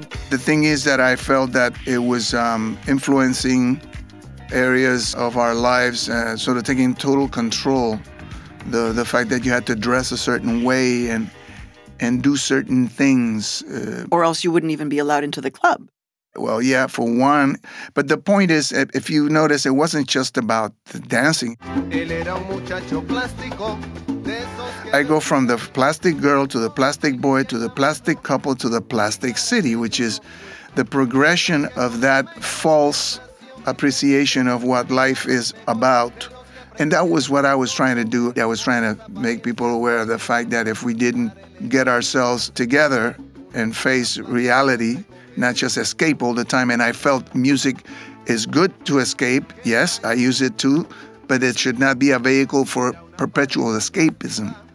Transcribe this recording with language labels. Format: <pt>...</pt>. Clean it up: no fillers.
<en>The thing is that I felt that it was influencing areas of our lives, sort of taking total control. The fact that you had to dress a certain way and do certain things. Or else you wouldn't even be allowed into the club. Well, yeah, for one. But the point is, if you notice, it wasn't just about the dancing.</en> <es>Él era un muchacho plástico.</es> <en>I go from the plastic girl to the plastic boy to the plastic couple to the plastic city, which is the progression of that false appreciation of what life is about. And that was what I was trying to do. I was trying to make people aware of the fact that if we didn't get ourselves together and face reality, not just escape all the time, and I felt music is good to escape, yes, I use it too, but it should not be a vehicle for perpetual escapism.</en>